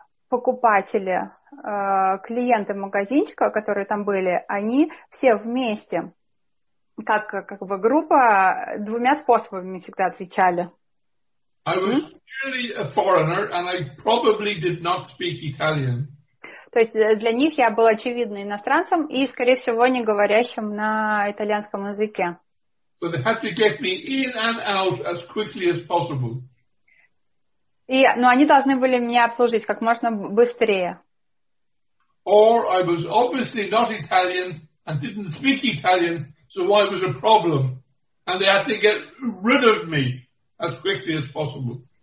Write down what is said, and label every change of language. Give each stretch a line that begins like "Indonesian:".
Russian: Покупатели, клиенты магазинчика, которые там были, они все вместе, как бы группа, двумя способами всегда отвечали.
English: I was clearly a foreigner, and I probably did not speak Italian.
Russian: То есть для них я был очевидно иностранцем и, скорее всего, не говорящим на итальянском языке.
English: So they had to get me in and out as quickly as possible.
Russian: Но они должны были меня обслужить как можно быстрее.
English: Or I was obviously not Italian and didn't speak Italian, so why was a problem? And they had to get rid of me. As quickly as possible.